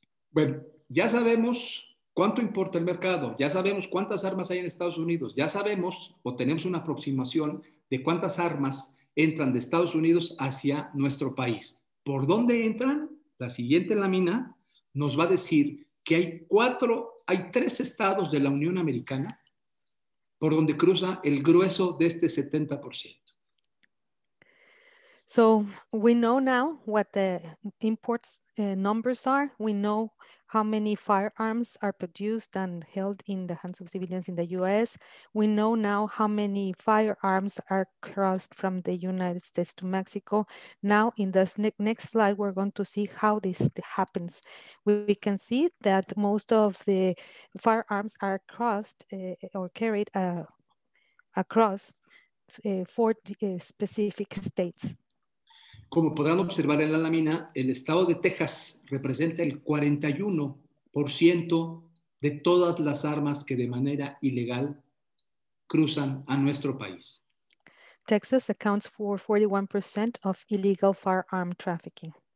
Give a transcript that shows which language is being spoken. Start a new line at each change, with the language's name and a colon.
Spanish: Bueno, ya sabemos cuánto importa el mercado, ya sabemos cuántas armas hay en Estados Unidos, ya sabemos o tenemos una aproximación de cuántas armas entran de Estados Unidos hacia nuestro país. ¿Por dónde entran? La siguiente lámina nos va a decir que hay tres estados de la Unión Americana por donde cruza el grueso de este 70%.
English: So we know now what the imports numbers are. We know how many firearms are produced and held in the hands of civilians in the US. We know now how many firearms are crossed from the United States to Mexico. Now in this next slide, we're going to see how this happens. We can see that most of the firearms are crossed or carried across four specific states.
Spanish: Como podrán observar en la lámina, el estado de Texas representa el 41% de todas las armas que de manera ilegal cruzan a nuestro país.
English: Texas accounts for 41% of illegal firearm trafficking.